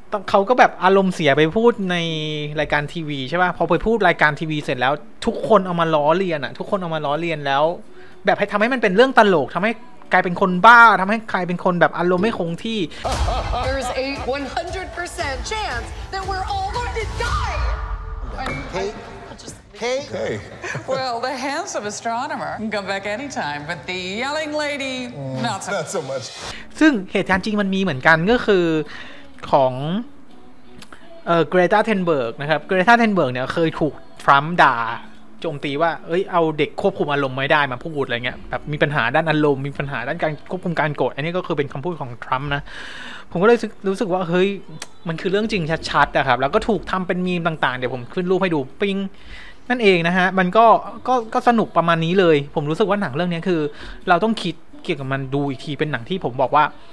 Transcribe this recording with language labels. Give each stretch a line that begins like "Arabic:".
Thai: เขาก็แบบอารมณ์เสียไปพูดในรายการทีวีใช่ป่ะพอไปพูดรายการทีวีเสร็จแล้วทุกคนเอามาล้อเลียนอ่ะทุกคนเอามาล้อเลียนแล้วแบบให้ทำให้มันเป็นเรื่องตลกทำให้กลายเป็นคนบ้าทำให้กลายเป็นคนแบบอารมณ์ไม่คงที่
English: There's a 100% chance that we're all going to die Okay. Well, the handsome astronomer can come back anytime, but the yelling lady not so much.
Thai: ซึ่งเหตุการณ์จริงมันมีเหมือนกันก็คือของเกรตาเทนเบิร์กนะครับเกรตาเทนเบิร์กเนี่ยเคยถูกทรัมป์ด่า จมตีว่าเอ้ยเอาเด็กควบคุมอารมณ์ไม่ได้มาพูดอะไรเงี้ยแบบมีปัญหาด้านอารมณ์มีปัญหาด้านการควบคุมการโกรธอันนี้ก็คือเป็นคำพูดของทรัมป์นะผมก็เลยรู้สึกว่าเฮ้ยมันคือเรื่องจริงชัดๆนะครับแล้วก็ถูกทำเป็นมีมต่างๆเดี๋ยวผมขึ้นรูปให้ดูปิ้งนั่นเองนะฮะมันก็สนุกประมาณนี้เลยผมรู้สึกว่าหนังเรื่องนี้คือเราต้องคิดเกี่ยวกับมันดูอีกทีเป็นหนังที่ผมบอกว่า